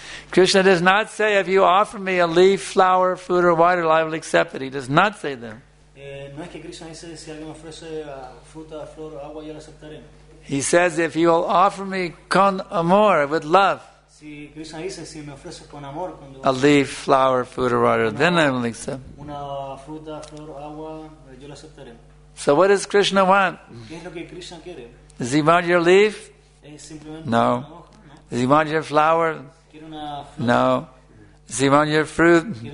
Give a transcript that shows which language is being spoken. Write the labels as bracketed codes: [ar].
[en] Krishna does not say, if you offer me a leaf, flower, food, or water, I will accept it. He does not say that. He says, if you will offer me [es] con amor, [en] with love. [es] Si Krishna dice, si me ofreces con amor, cuando [en] a leaf, flower, food, or water, then I will accept. [es] Una fruta, flor, agua, yo la aceptaré. [en] So what does Krishna want? [es] ¿Qué es lo que Krishna quiere? [en] Does he want your leaf? No. Does he want your flower? No. Does he want your fruit?